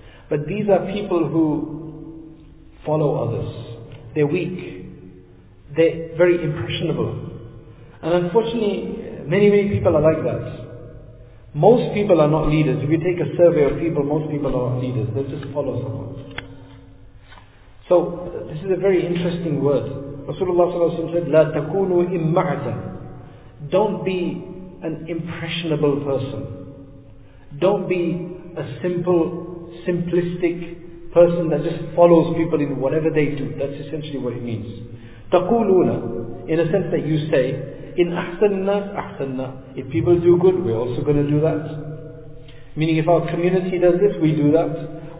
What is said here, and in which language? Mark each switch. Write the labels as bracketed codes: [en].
[en] But these are people who follow others. They're weak. They're very impressionable. And unfortunately, many people are like that. Most people are not leaders. If you take a survey of people, most people are not leaders. They just follow someone. So, this is a very interesting word. Rasulullah ﷺ said, [ar] لَا تَكُونُوا إِمَّعْدًا. [en] Don't be an impressionable person. Don't be a simplistic person that just follows people in whatever they do. That's essentially what it means. [ar] تَقُولُونَ, [en] in a sense that you say, [ar] إِنْ أَحْسَنَّا أَحْسَنَّا. [en] If people do good, we're also going to do that. Meaning if our community does this, we do that.